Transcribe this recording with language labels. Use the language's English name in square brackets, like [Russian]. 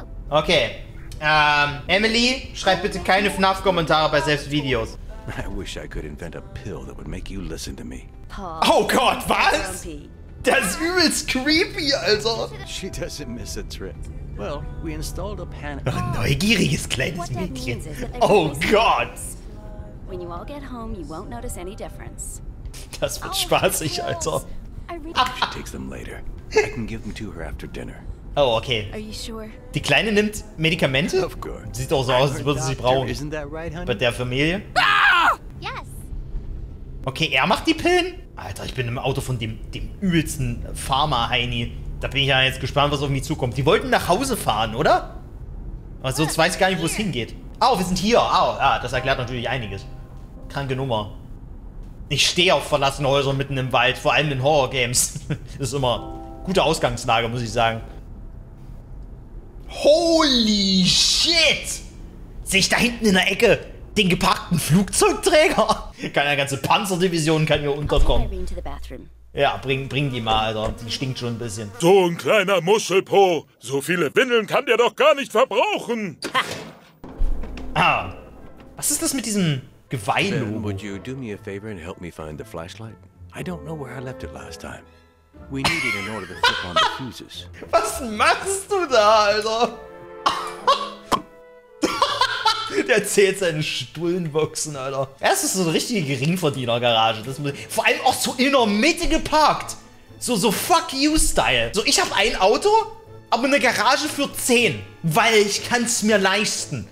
[German] Okay, Emily, schreib bitte keine FNAF-Kommentare bei selbst Videos. [English] I wish I could invent a pill that would make you listen to me. [German] Oh Gott, was? Das ist übelst creepy, Alter. [English] She doesn't miss a trip. Well, we installed a panel. [German] Oh, neugieriges kleines Mädchen. Oh Gott. [English] When you all get home, you won't notice any difference. [German] Das wird spaßig, Alter. [English] She takes them later. I can give them to her after dinner. Oh, okay. Are you sure? [German] Die Kleine nimmt Medikamente? [English] Of course. [German] Sieht doch so aus, als würde sie sie brauchen. [English] Isn't that right, honey? [German] Bei der Familie? Okay, er macht die Pillen? Alter, ich bin im Auto von dem übelsten Pharma-Heini. Da bin ich ja jetzt gespannt, was auf mich zukommt. Die wollten nach Hause fahren, oder? Aber sonst weiß ich gar nicht, wo es hingeht. Oh, wir sind hier. Oh, ja, das erklärt natürlich einiges. Kranke Nummer. Ich stehe auf verlassene Häuser mitten im Wald, vor allem in Horror-Games. Das ist immer gute Ausgangslage, muss ich sagen. [English] Holy shit! [German] Sehe ich da hinten in der Ecke? Den geparkten Flugzeugträger? Keine ganze Panzerdivision kann hier unterkommen. Ja, bring die mal, Alter. Die stinkt schon ein bisschen. So ein kleiner Muschelpo. So viele Windeln kann der doch gar nicht verbrauchen. Ha. Ah. Was ist das mit diesem Geweih-Logo? [English] Ben, would you do me a favor and help me find the flashlight? I don't know where I left it last time. We need it in order to flip on the fuses. [German] Was machst du da, Alter? Der zählt seine Stullenboxen, Alter. Er ist so eine richtige Geringverdienergarage. Das muss, vor allem auch so in der Mitte geparkt. So fuck you-Style. So, ich habe ein Auto, aber eine Garage für 10. Weil ich kann es mir leisten.